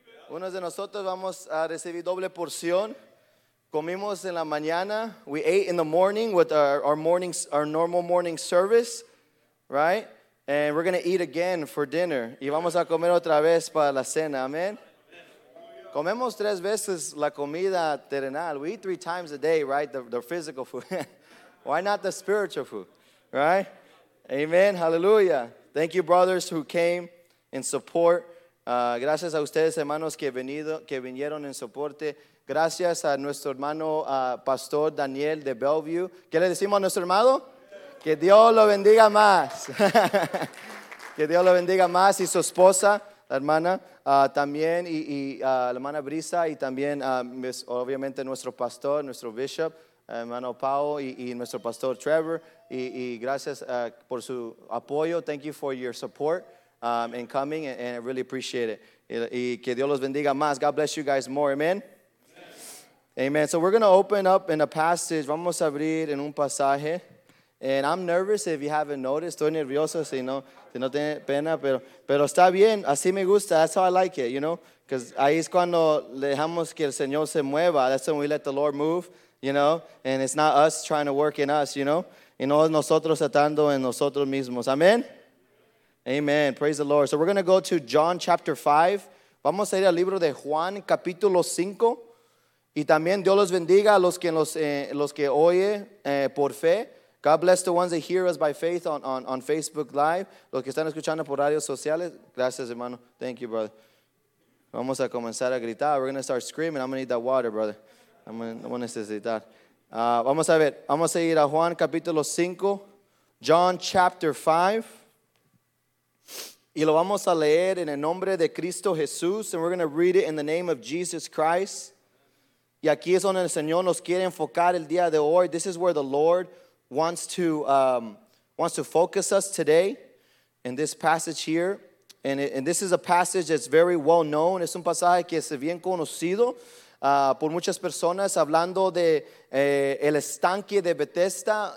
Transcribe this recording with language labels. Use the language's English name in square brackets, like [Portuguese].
[Spanish] Unos de nosotros vamos a recibir doble porción. Comimos en la mañana. [English] We ate in the morning with our normal morning service, right? And we're going to eat again for dinner. [Spanish] Y vamos a comer otra vez para la cena. Amen. Comemos tres veces la comida terrenal. [English] We eat three times a day, right? The physical food. Why not the spiritual food? Right? Amen. Hallelujah. Thank you, brothers, who came in support. [Spanish] Gracias a ustedes, hermanos, que vinieron en soporte. Gracias a nuestro hermano Pastor Daniel de Bellevue. ¿Qué le decimos a nuestro hermano? Que Dios lo bendiga más. Que Dios lo bendiga más. Y su esposa, la hermana, también, y la hermana Brisa, y también, obviamente, nuestro pastor, nuestro bishop, hermano Pau, y nuestro pastor Trevor, y gracias por su apoyo. [English] Thank you for your support in coming, and I really appreciate it. [Spanish] Y que Dios los bendiga más. [English] God bless you guys more. [Spanish] Amen. Amen. Amen. [English] So we're going to open up in a passage. [Spanish] Vamos a abrir en un pasaje. [English] And I'm nervous if you haven't noticed. [Spanish] Estoy nervioso si no tiene pena, pero está bien. Así me gusta. [English] That's how I like it, you know. Because [Spanish] ahí es cuando dejamos que el Señor se mueva. [English] That's when we let the Lord move, you know. And it's not us trying to work in us, you know. [Spanish] Y no nosotros atando en nosotros mismos. Amen. Amen. [English] Praise the Lord. So we're going to go to John chapter 5. [Spanish] Vamos a ir al libro de Juan capítulo 5. Y también Dios los bendiga a los que oye por fe. [English] God bless the ones that hear us by faith on Facebook Live. [Spanish] Los que están escuchando por radios sociales. Gracias, hermano. [English] Thank you, brother. [Spanish] Vamos a comenzar a gritar. [English] We're going to start screaming. I'm going to need that water, brother. I'm going to [Spanish] necesitar. Vamos a ver. Vamos a ir a Juan capítulo 5. [English] John chapter 5. [Spanish] Y lo vamos a leer en el nombre de Cristo Jesús. [English] And we're going to read it in the name of Jesus Christ. [Spanish] Y aquí es donde el Señor nos quiere enfocar el día de hoy. [English] This is where the Lord wants to focus us today in this passage here. And this is a passage that's very well known. [Spanish] Es un pasaje que es bien conocido por muchas personas, hablando de el estanque de Betesda.